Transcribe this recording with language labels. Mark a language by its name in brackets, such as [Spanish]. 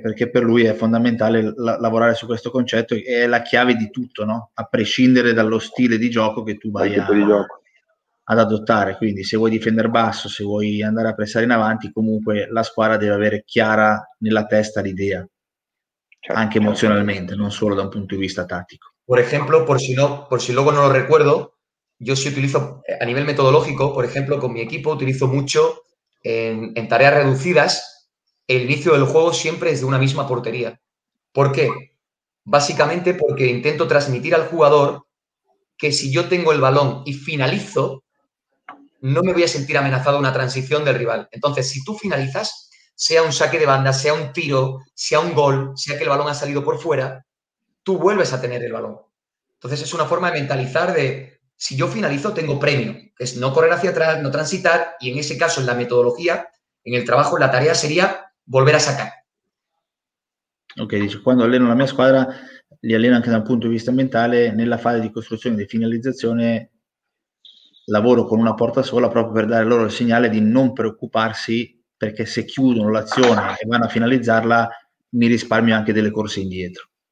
[Italian] Perché per lui è fondamentale lavorare su questo concetto e è la chiave di tutto, no? A prescindere dallo stile di gioco che tu vai ad adottare. Quindi se vuoi difendere basso, se vuoi andare a pressare in avanti, comunque la squadra deve avere chiara nella testa l'idea, certo, anche emozionalmente, non solo da un punto di vista tattico. [Spanish] Por ejemplo, por si luego no lo recuerdo, yo sí utilizo a nivel metodológico, por ejemplo, con mi equipo utilizo mucho en tareas reducidas el inicio del juego siempre desde una misma portería. ¿Por qué? Básicamente porque intento transmitir al jugador que si yo tengo el balón y finalizo, no me voy a sentir amenazado una transición del rival. Entonces, si tú finalizas, sea un saque de banda, sea un tiro, sea un gol, sea que el balón ha salido por fuera, tú vuelves a tener el balón. Entonces es una forma de mentalizar de, si yo finalizo, tengo premio. Es no correr hacia atrás, no transitar, y en ese caso, en la metodología, en el trabajo, en la tarea sería volver a sacar. [Italian] Ok, dice, cuando alleno la mia squadra, li alleno anche da un punto di vista mentale, nella fase di costruzione e di finalizzazione, lavoro con una porta sola proprio per dare loro il segnale di non preoccuparsi, perché se chiudono l'azione e vanno a finalizzarla, mi risparmio anche delle corse indietro.